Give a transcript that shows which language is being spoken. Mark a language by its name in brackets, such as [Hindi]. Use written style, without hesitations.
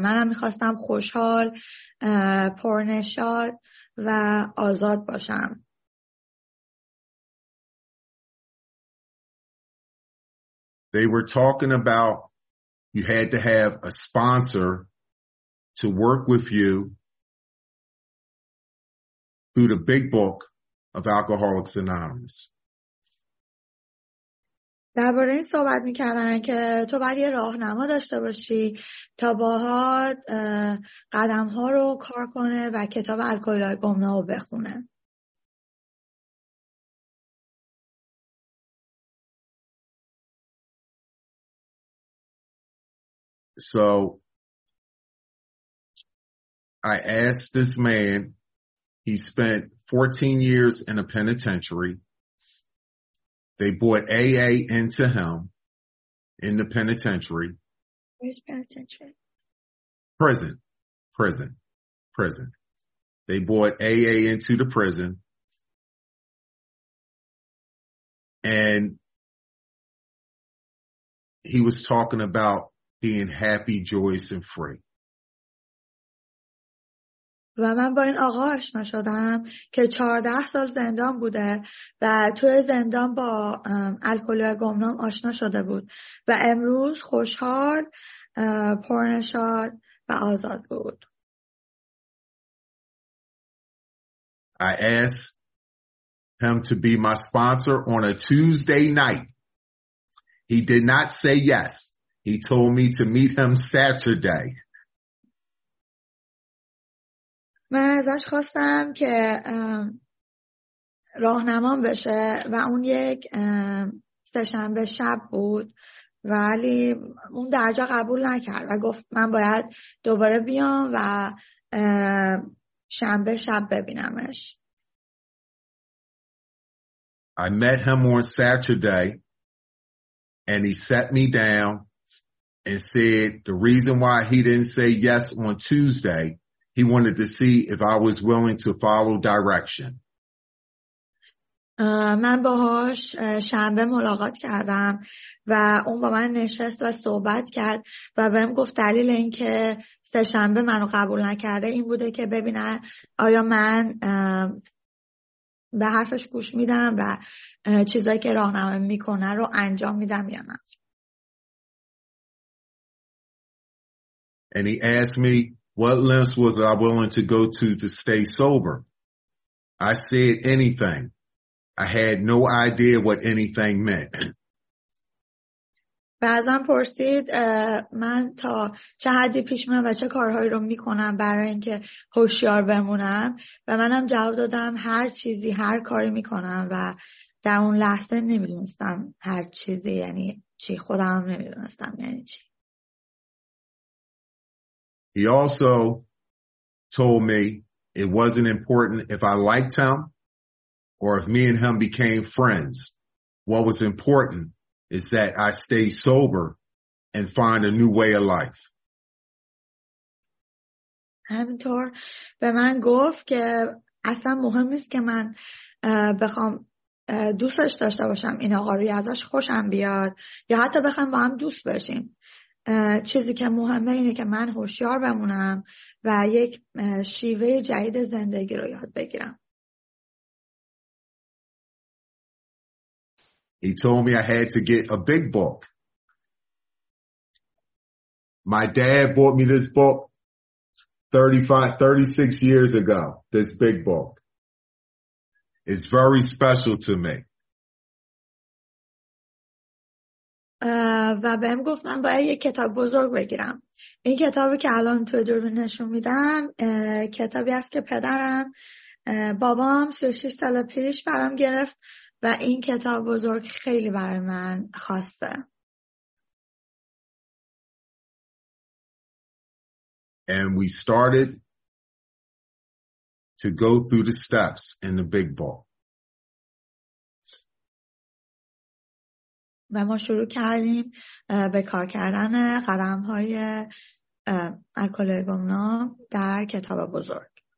[Persian] منم می‌خواستم خوشحال، پرنشاط و آزاد باشم. [English] They were talking about you had to have a sponsor to work with you through the big book of Alcoholics Anonymous. [Persian] درباره این صحبت میکردن که تو باید یه راهنما داشته باشی تا باهات قدم ها رو کار کنه و کتاب الکلهای گمنام رو بخونه. [English] So I asked this man, he spent 14 years in a penitentiary. They brought AA into him in the penitentiary. Where's penitentiary? Prison. Prison. Prison. They brought AA into the prison. And he was talking about being happy, joyous, and free. [Persian] و من با این آقا آشنا شدم که 14 سال زندان بوده و توی زندان با الکل و گمنام آشنا شده بود و امروز خوشحال، پرنشاد و آزاد بود. [English] I asked him to be my sponsor on a Tuesday night. He did not say yes. He told me to meet him Saturday. [Persian] من ازش خواستم که راهنمام بشه و اون یک سه‌شنبه شب بود ولی اون درجا قبول نکرد و گفت من باید دوباره بیام و شنبه شب ببینمش. [English] I met him on Saturday and he sat me down and said the reason why he didn't say yes on Tuesday, he wanted to see if I was willing to follow direction. [Persian] من باهاش شنبه ملاقات کردم و اون با من نشست و صحبت کرد و بهم گفت دلیل اینکه سه شنبه منو قبول نکرده این بوده که ببینه آیا من به حرفش گوش میدم و چیزایی که راهنمایی میکنه رو انجام میدم یا نه. [English] And he asked me what lengths was I willing to go to stay sober? I said anything. I had no idea what anything meant. [Persian] بعضی پرسید من تا چه حدی پیش میام و چه کارهایی رو میکنم برای اینکه هوشیار بمونم و منم جواب دادم هر چیزی هر کاری میکنم و در اون لحظه نمیدونستم هر چیزی یعنی چی خودم نمیدونستم یعنی چی. [English] He also told me it wasn't important if I liked him or if me and him became friends. What was important is that I stay sober and find a new way of life. [Persian] همینطور به من گفت که اصلا مهم نیست که من بخوام دوستش داشته باشم این آقا رو ازش خوشم بیاد یا حتی بخوام با هم دوست بشیم. چیزی که مهمه اینه که من هوشیار بمونم و یک شیوه جدید زندگی رو یاد بگیرم. [English] He told me I had to get a big book. My dad bought me this book 36 years ago, this big book. It's very special to me. [Persian] و بهم گفت من باید یک کتاب بزرگ بگیرم. این کتابی که الان توی دوربین نشون میدم کتابی است که پدرم بابام 36 سال پیش برام گرفت و این کتاب بزرگ خیلی برای من خواسته. [English] And we started to go through the steps in the big book. [Persian] و ما شروع کردیم به کار کردن قدم‌های الکل گمنام در کتاب بزرگ.